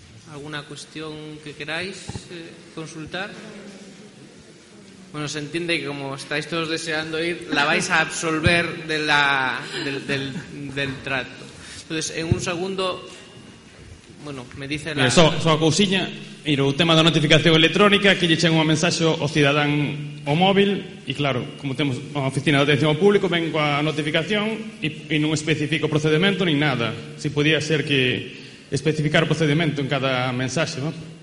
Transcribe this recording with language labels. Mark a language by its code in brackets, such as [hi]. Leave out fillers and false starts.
[es] ¿Alguna cuestión que queráis consultar? Bueno, se entiende que como estáis todos deseando ir, la vais a absolver de del trato. Entonces, en un segundo, bueno, me dice la... [gl] Só a cousinha, e o tema da notificación electrónica, que lle chega unha mensaxe ao cidadán o móvil, e claro, como temos a oficina de atención ao público, vengo a notificación e non especifico o procedimento nin nada. Si podía ser que especificar o procedimento en cada mensaxe, non?